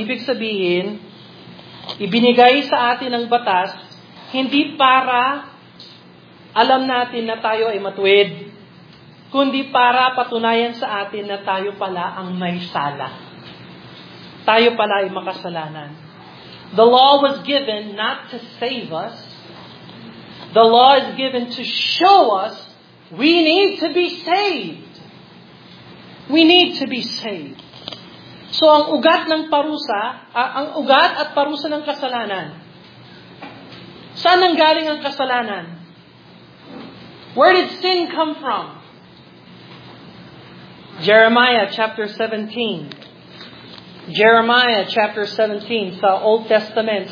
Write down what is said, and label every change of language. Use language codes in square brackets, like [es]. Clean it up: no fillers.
[tl] Ibig sabihin, ibinigay sa atin ang batas, hindi para alam natin na tayo ay matuwid, kundi para patunayan sa atin na tayo pala ang may sala. Tayo pala ay makasalanan. [en] The law was given not to save us. The law is given to show us we need to be saved. We need to be saved. [tl] So ang ugat ng parusa, ang ugat at parusa ng kasalanan. Saan ang galing ang kasalanan? [en] Where did sin come from? Jeremiah chapter 17. Jeremiah chapter 17 sa Old Testament.